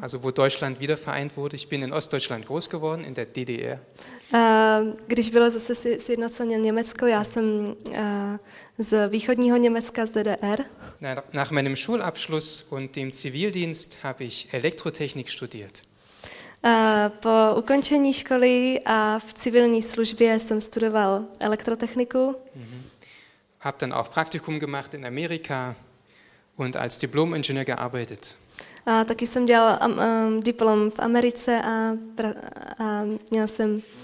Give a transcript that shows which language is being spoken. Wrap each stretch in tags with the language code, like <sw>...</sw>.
<de>Also wo Deutschland wieder vereint wurde, ich bin in Ostdeutschland groß geworden, in der DDR.</de> <cs>Když bylo zase sjednocení Německo, já jsem z východního Německa, z DDR.</cs> <de>Nach meinem Schulabschluss und dem Zivildienst habe ich Elektrotechnik studiert.</de> <cs>Po ukončení školy a v civilní službě jsem studoval elektrotechniku. Mm-hmm.</cs> <de>Hab dann auch Praktikum gemacht in Amerika und als Diplom-Ingenieur gearbeitet.</de> <cs>A taky jsem dělal diplom v Americe a měl jsem...</cs>